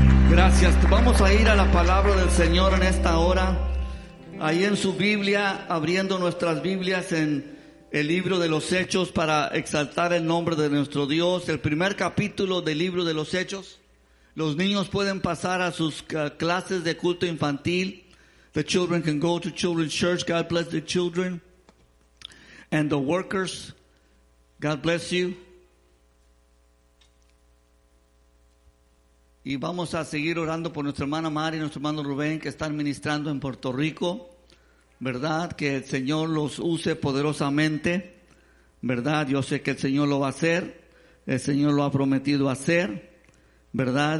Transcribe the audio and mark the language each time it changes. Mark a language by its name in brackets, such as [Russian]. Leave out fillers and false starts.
[Spanish] Gracias. Vamos a ir a la palabra del Señor en esta hora. Ahí en su Biblia, abriendo nuestras Biblias en el libro de los Hechos para exaltar el nombre de nuestro Dios. El primer capítulo del libro de los Hechos. Los niños pueden pasar a sus clases de culto infantil. [English] The children can go to children's church. God bless the children. And the workers, God bless you. [Spanish] Y vamos a seguir orando por nuestra hermana Mari y nuestro hermano Rubén, que están ministrando en Puerto Rico, ¿verdad? Que el Señor los use poderosamente, ¿verdad? Yo sé que el Señor lo va a hacer, el Señor lo ha prometido hacer, ¿verdad?